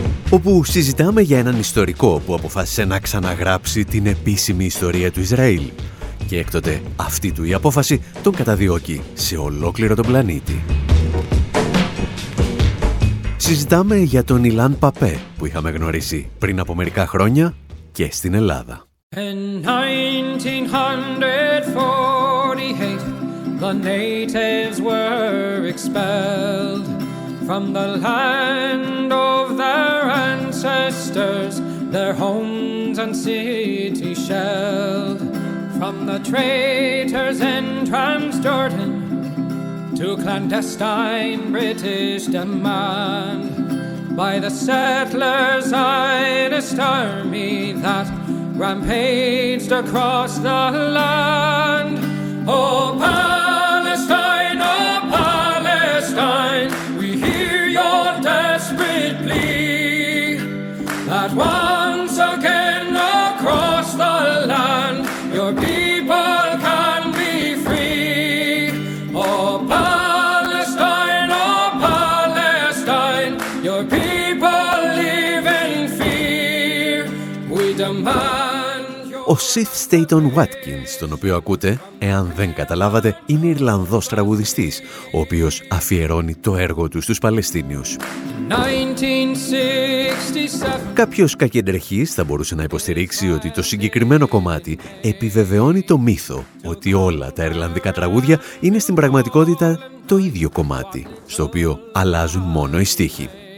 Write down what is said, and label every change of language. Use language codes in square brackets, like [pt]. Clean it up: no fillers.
[el] Όπου συζητάμε για έναν ιστορικό που αποφάσισε να ξαναγράψει την επίσημη ιστορία του Ισραήλ. Και έκτοτε αυτή του η απόφαση τον καταδιώκει σε ολόκληρο τον πλανήτη. Συζητάμε για τον Ιλάν Παπέ που είχαμε γνωρίσει πριν από μερικά χρόνια και στην Ελλάδα. [en] In 1948, the natives were expelled from the land of their ancestors, their homes and city shelled. From the traitors in Transjordan to clandestine British demand, by the settlers' Zionist army that rampaged across the land. Oh, Palestine, oh, Palestine, we hear your desperate plea that once again across the land your people can be free. Oh, Palestine, oh, Palestine, your people live in fear. We demand. [el] Ο Σιθ Στέιτον Βάτκινς, τον οποίο ακούτε, εάν δεν καταλάβατε, είναι Ιρλανδός τραγουδιστής, ο οποίος αφιερώνει το έργο του στους Παλαιστίνιους. 1967. Κάποιος κακεντρεχής θα μπορούσε να υποστηρίξει ότι το συγκεκριμένο κομμάτι επιβεβαιώνει το μύθο ότι όλα τα Ιρλανδικά τραγούδια είναι στην πραγματικότητα το ίδιο κομμάτι, στο οποίο αλλάζουν μόνο οι στίχοι.